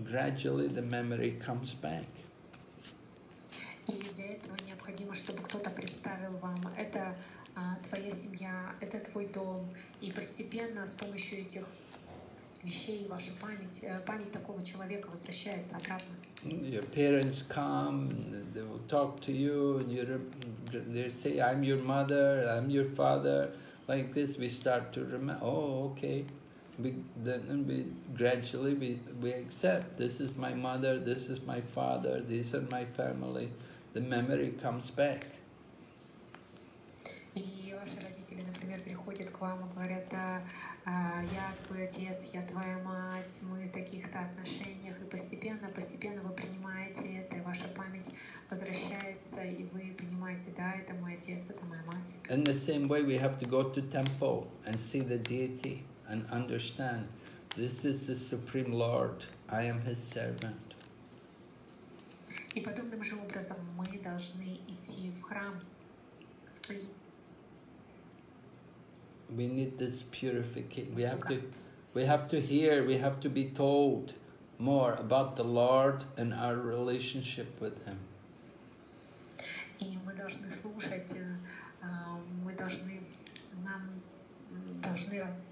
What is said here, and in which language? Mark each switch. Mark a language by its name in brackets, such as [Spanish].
[English] Gradually the memory comes back. [Russian] И для этого необходимо, чтобы кто-то представил вам это. Твоя семья, это твой дом, и постепенно с помощью этих вещей ваша память такого человека возвращается обратно. [English] Your parents come, they will talk to you, and they say, I'm your mother, I'm your father. Like this, we start to remember, oh, okay. Then we gradually accept, this is my mother, this is my father, these are my family. The memory comes back. [Russian] Ваши родители, например, приходят к вам и говорят, да, я твой отец, я твоя мать, мы в таких-то отношениях, и постепенно вы принимаете это, и ваша память возвращается, и вы понимаете, да, это мой отец, это моя мать. [English] In the same way, we have to go to temple and see the deity and understand, this is the Supreme Lord, I am his servant. [Russian] И подобным же образом мы должны идти в храм. [English] We need this purification. We have to hear, we have to be told more about the Lord and our relationship with Him. [Russian] И мы должны слушать, мы должны, нам должны